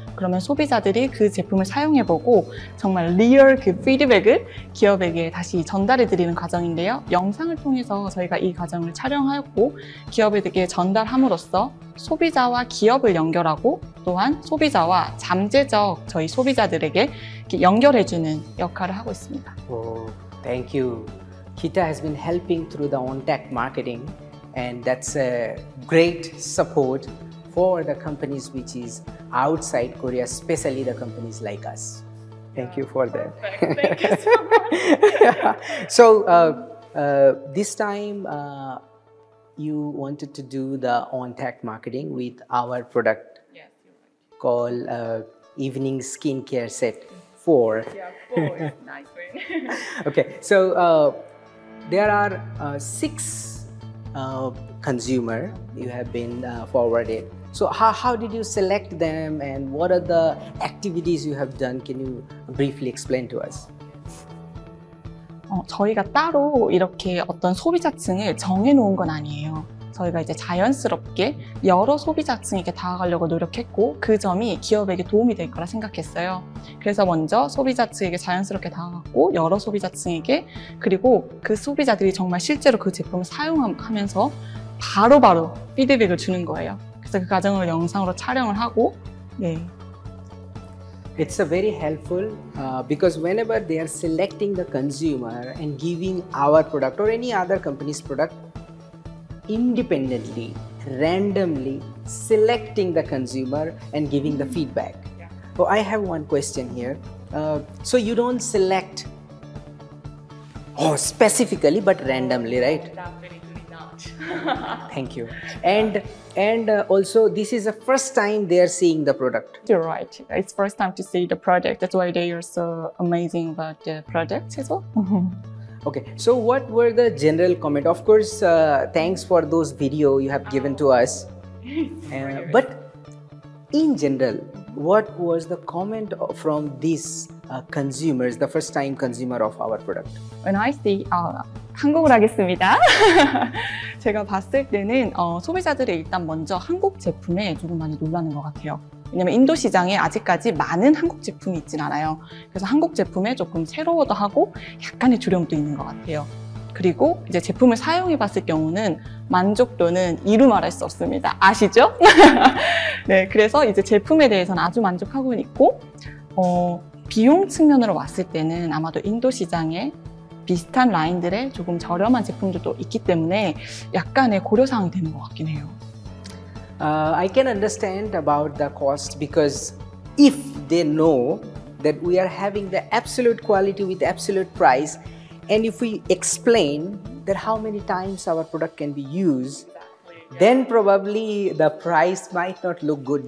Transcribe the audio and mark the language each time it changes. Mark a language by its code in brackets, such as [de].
[ko] 그러면 소비자들이 그 제품을 사용해보고 정말 리얼 그 피드백을 기업에게 다시 전달해드리는 과정인데요. 영상을 통해서 저희가 이 과정을 촬영하였고 기업에게 전달함으로써 소비자와 기업을 연결하고 또한 소비자와 잠재적 저희 소비자들에게 연결해주는 역할을 하고 있습니다. [en] Oh, thank you. Kita has been helping through the on-tact marketing and that's a great support for the companies which is outside Korea, especially the companies like us. Thank you for that. Thank you so much. So this time you wanted to do the on-tact marketing with our product called Evening Skincare Set 4. Yeah, 4 is nice one. Okay, so there are six consumer you have been forwarded. So how did you select them and what are the activities you have done? Can you briefly explain to us? [ko] 저희가 따로 이렇게 어떤 소비자층을 정해놓은 건 아니에요. 저희가 이제 자연스럽게 여러 소비자층에게 다가가려고 노력했고 그 점이 기업에게 도움이 될 거라 생각했어요. 그래서 먼저 소비자층에게 자연스럽게 다가갔고 여러 소비자층에게 그리고 그 소비자들이 정말 실제로 그 제품을 사용하면서 바로바로 피드백을 주는 거예요. 그 과정을 영상으로 촬영을 하고 네. [en] It's a very helpful because whenever they are selecting the consumer and giving our product or any other company's product independently, randomly selecting the consumer and giving the feedback. Yeah. Oh, I have one question here. So you don't select specifically but randomly, right? Thank you. And also, this is the first time they are seeing the product. You're right. It's first time to see the product. That's why they are so amazing about the product as well. Okay. So what were the general comments? Of course, thanks for those video you have given to us. But in general, what was the comment from these consumers, the first time consumer of our product? When I see [ko] 한국을 하겠습니다. 제가 봤을 때는 소비자들이 일단 먼저 한국 제품에 조금 많이 놀라는 것 같아요. 왜냐면 인도 시장에 아직까지 많은 한국 제품이 있진 않아요. 그래서 한국 제품에 조금 새로워도 하고 약간의 두려움도 있는 것 같아요. 그리고 이제 제품을 사용해 봤을 경우는 만족도는 이루 말할 수 없습니다. 아시죠? 네, 그래서 이제 제품에 대해서는 아주 만족하고 있고 비용 측면으로 왔을 때는 아마도 인도 시장에 비슷한 라인들의 조금 저렴한 제품들도 있기 때문에 약간의 고려사항이 되는 것 같긴 해요. [en] I can understand about the cost because if they know that we are having the absolute quality with absolute price and if we explain that how many times our product can be used, then probably the price might not look good.